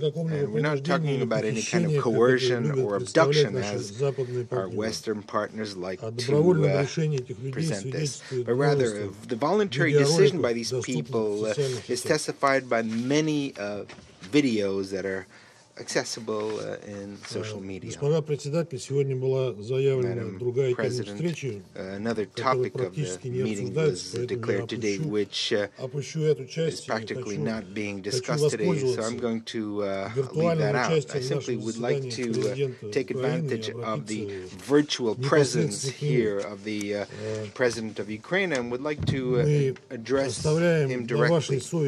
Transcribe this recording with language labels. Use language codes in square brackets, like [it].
[en] And we're not talking about any kind of coercion or abduction, as our Western partners like to present this, but rather the voluntary decision by these people is testified by many videos that are accessible in social media. [ru] Господа председатель, сегодня была заявлена другая тема встречи. [en] Another topic of the meeting was declared today, which is practically not being discussed today. So I'm going to leave that out. I simply would like to take advantage of the virtual presence here of the president of Ukraine, and would like to address him directly.